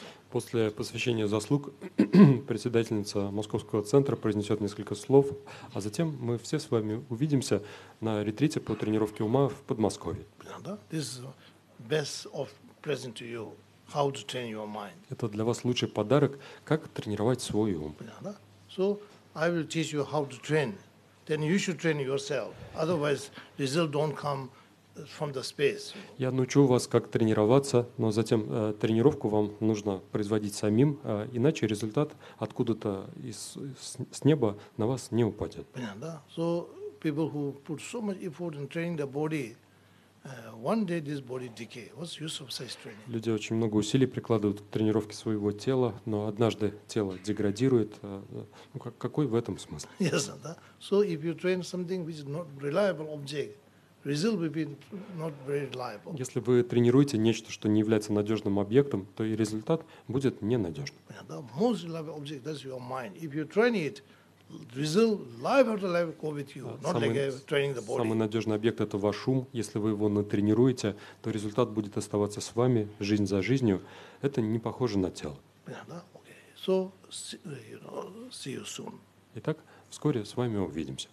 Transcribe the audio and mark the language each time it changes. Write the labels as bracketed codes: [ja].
[ru] После посвящения заслуг председательница Московского центра произнесет несколько слов, а затем мы все с вами увидимся на ретрите по тренировке ума в Подмосковье. [en] This is best of present to you. How to train your mind. [ru] Это для вас лучший подарок, как тренировать свой ум. [en] So I will teach you how to train. Then you should train yourself. Otherwise, result don't come. From the space. [ru] Я научу вас, как тренироваться, но затем тренировку вам нужно производить самим, иначе результат откуда-то с неба на вас не упадет. Понятно, да? [en] So people who put so much effort in training the body One day this body decay. What's use of such training? [ru] Люди очень много усилий прикладывают к тренировке своего тела, но однажды тело деградирует. Ну, какой в этом смысл? [en] Yes, да? So if you train something which is not reliable object, result will be not very reliable. [ru] Если вы тренируете нечто, что не является надежным объектом, то и результат будет ненадежным. [en] Yeah, the most reliable object is your mind. If you train it, result life after life go with you, not like training the body. [ru] Самый надежный объект — это ваш ум. Если вы его натренируете, то результат будет оставаться с вами жизнь за жизнью. Это не похоже на тело. [en] Yeah, okay. So, see you soon. [ru] Итак, вскоре с вами увидимся.